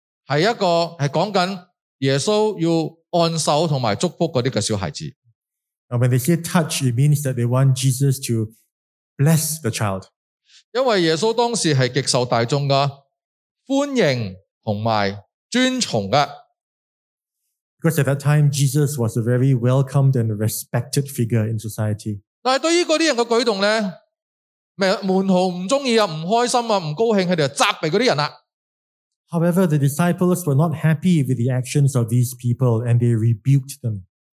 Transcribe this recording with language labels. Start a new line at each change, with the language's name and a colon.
Chinese: 是讲耶稣要按手和祝福那些小孩子。
English: Now, when they say touch, it means that they want Jesus to bless the child.
Chinese: 因为耶稣当时是极受大众的欢迎和尊崇的。
English: Because at that time, Jesus was a very welcomed and respected figure in society.
Chinese: 但是对于那些人的举动，门徒不喜欢，不开心，不高兴，他们就责备那些人。
English: However, the disciples were not happy with the actions of these people and they rebuked them.